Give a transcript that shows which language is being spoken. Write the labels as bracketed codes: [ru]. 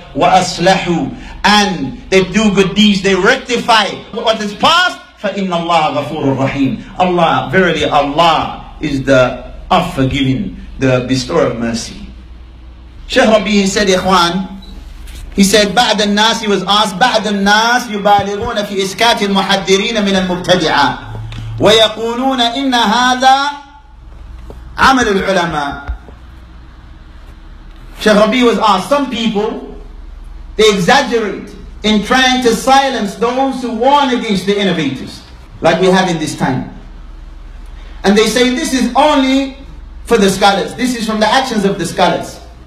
[ar] وَأَصْلَحُوا, [en] and they do good deeds, they rectify what is past, [ar] فَإِنَّ اللَّهَ غَفُورٌ رَحِيمٌ. [en] Allah, verily Allah is the forgiving, the bestower of mercy. Shaykh Rabbi said, Ikhwan, He said, [ar] بعد الناس, [en] he was asked, [ar] بعد الناس يبالغون في إسكات المحذرين من المبتدعة ويقولون إن هذا عمل العلماء. [en] Sheikh Rabi was asked, some people, they exaggerate in trying to silence those who warn against the innovators, like we have in this time. And they say, this is only for the scholars. This is from the actions of the scholars.